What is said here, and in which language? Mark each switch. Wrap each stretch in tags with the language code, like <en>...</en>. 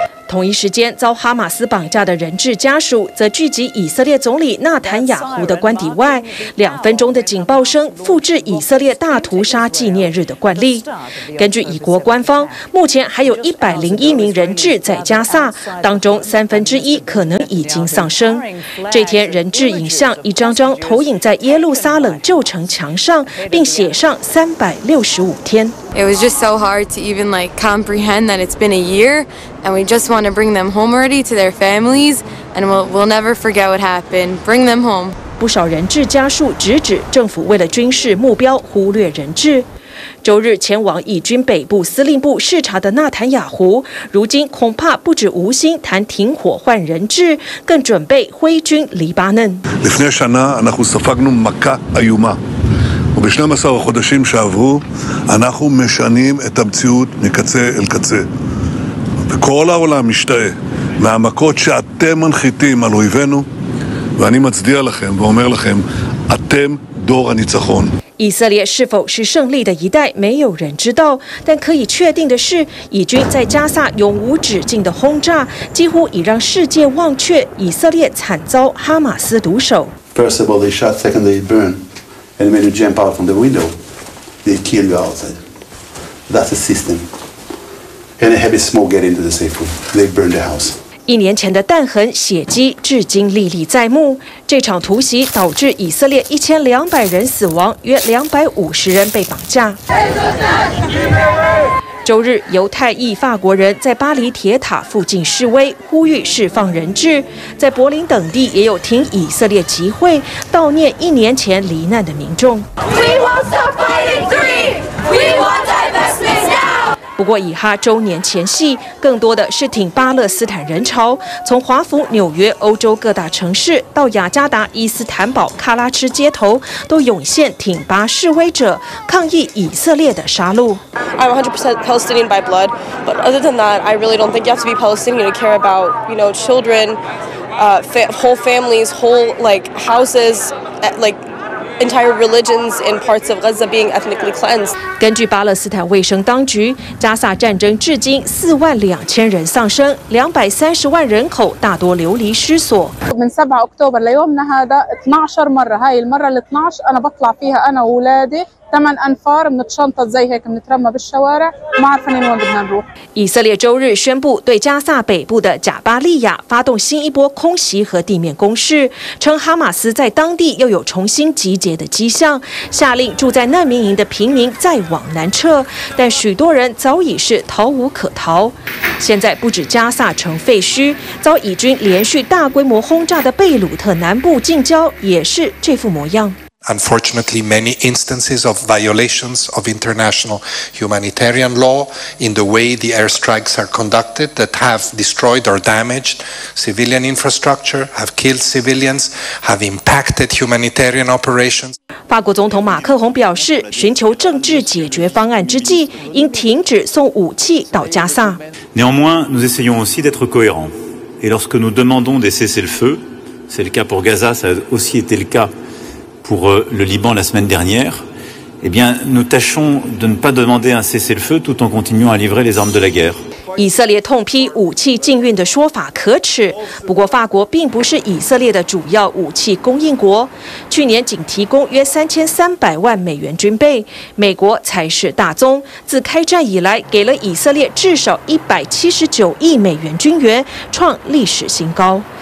<zh>同一时间遭哈马斯绑架的人质家属则聚集以色列总理纳坦雅胡的官邸外，两分钟的警报声复制以色列大屠杀纪念日的惯例。根据以国官方，目前还有101名人质在加萨，当中三分之一可能已经丧生。这天人质影像一张张投影在耶路撒冷旧城墙上，并写上365天。</zh> <en>It was just so hard to even like comprehend that it's been a year, and we just want to bring them home already to their families, and we'll never forget what happened. Bring them home.</en> <zh>不少人质家属直指政府为了军事目标忽略人质。周日前往以军北部司令部视察的纳坦雅胡，如今恐怕不止无心谈停火换人质，更准备挥军黎巴嫩。</zh> <he>לפני שנה אנחנו ספגנו מכה איומה. וב-12 החודשים שעברו, אנחנו משנים את המציאות מקצה אל קצה. וכל העולם משתאה מהמכות שאתם מנחיתים על אויבינו, ואני מצדיע לכם ואומר לכם, אתם דור הניצחון.</he> <zh>以色列是否是胜利的一代，没有人知道。但可以确定的是，以军在加萨永无止境的轰炸，几乎已让世界忘却以色列惨遭哈马斯毒手。</zh> <en>First of all, they shot. Second, they burn. And when you jump out from the window, they kill you outside. That's the system. And a heavy smoke get into the safe room. They burn the house.</en> <zh>一年前的弹痕血迹至今历历在目。这场突袭导致以色列1200人死亡，约250人被绑架。周日，犹太裔法国人在巴黎铁塔附近示威，呼吁释放人质。在柏林等地也有挺以色列集会，悼念一年前罹难的民众。</zh> <en>We won't stop fighting greed. We want divestment now.</en> <zh>不过以哈周年前夕，更多的是挺巴勒斯坦人潮，从华府、纽约、欧洲各大城市到雅加达、伊斯坦堡、喀拉吃街头，都涌现挺巴示威者抗议以色列的杀戮。</zh> <en>I'm 100% Palestinian by blood, but other than that, I really don't think you have to be Palestinian to care about, you know, children, whole families, whole like houses, like. Entire religions in parts of Gaza being ethnically cleansed.</en> <zh>根据巴勒斯坦卫生当局，加萨战争至今42000人丧生，230万人口大多流离失所。</zh> <ar>من 7 أكتوبر ليومنا هذا 12 مرة هاي المرة ال 12 أنا بطلع فيها أنا وولادي. 8 أنفار من الشنطة زي هيك منترمى بالشوارع ما عارفين وين بدنا نروح.</ar> <zh>以色列周日宣布对加萨北部的贾巴利亚发动新一波空袭和地面攻势，称哈马斯在当地又有重新集结的迹象，下令住在难民营的平民再往南撤，但许多人早已是逃无可逃。现在不止加萨城废墟，遭以军连续大规模轰炸的贝鲁特南部近郊也是这副模样。</zh> <en>Unfortunately, many instances of violations of international humanitarian law in the way the airstrikes are conducted that have destroyed or damaged civilian infrastructure, have killed civilians, have impacted humanitarian operations.</en> <zh>法国总统马克宏表示，寻求政治解决方案之际，应停止送武器到加萨。</zh> <fr>Néanmoins, nous essayons aussi d'être cohérents. Et lorsque nous demandons des cessez-le-feu, c'est le cas pour Gaza, ça a aussi été le cas. Pour le Liban la semaine dernière, eh bien, nous tâchons de ne pas demander un cessez-le-feu tout en continuant à livrer les armes de la guerre.</fr> <zh>以色列痛批武器禁运的说法可耻，不过法国并不是以色列的主要武器供应国，去年仅提供约$3,300万军备，美国才是大宗，自开战以来给了以色列至少179亿美元军援，创历史新高。</zh>